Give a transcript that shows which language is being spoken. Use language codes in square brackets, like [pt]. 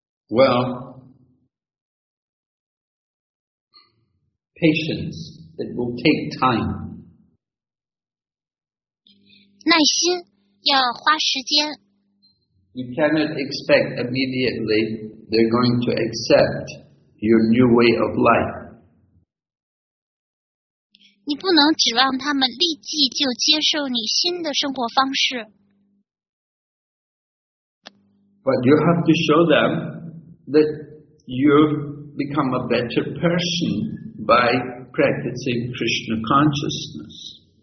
[en] Well, patience, it will take time. [zh] 耐心要花时间。 [en] You cannot expect immediately they're going to accept your new way of life. [zh] 你不能指望他们立即就接受你新的生活方式。 [en] But you have to show them that you've become a better person by practicing Krishna consciousness.